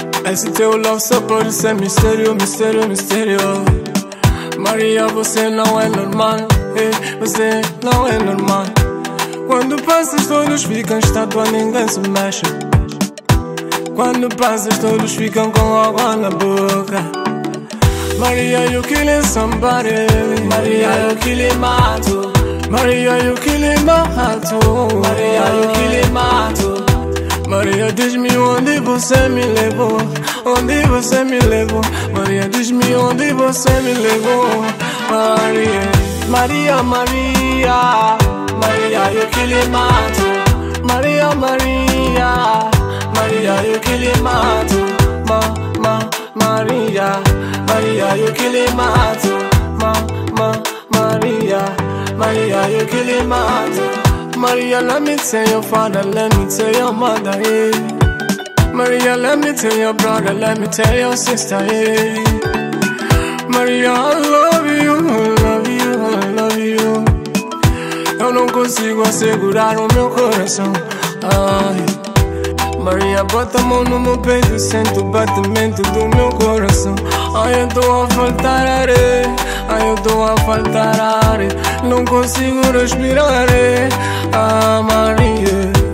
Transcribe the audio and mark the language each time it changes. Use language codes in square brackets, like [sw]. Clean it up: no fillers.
[pt] Esse teu [en] love support, [pt] isso é mistério, mistério, mistério. Maria, você não é normal, você não é normal. Quando passas todos ficam estátua, ninguém se mexe. Quando passas todos ficam com água na boca. [en] Maria, you killing somebody. Maria, you killing Mato. Maria, you killing Mato. Maria, you killing Mato. [pt] Maria, diz-me onde você me levou. Onde você me levou. Maria, diz-me onde você me levou. Maria, [en] Maria, Maria, Maria, you killing Mato. Maria, Maria, Maria, you killing Mato. Ma, Maria, Maria, you killing Mato. Ma, Maria, Maria, you killing Mato. Maria, let me tell your father, let me tell your mother, hey. Maria, let me tell your brother, let me tell your sister, hey. Maria, I love you, I love you, I love you. [pt] Eu não consigo assegurar o meu coração, ai. Maria, bota a mão no meu peito, sento o batimento do meu coração. Ai, eu tô a faltar ar, ai, eu tô a faltar ar. Não consigo respirar, ah, Maria.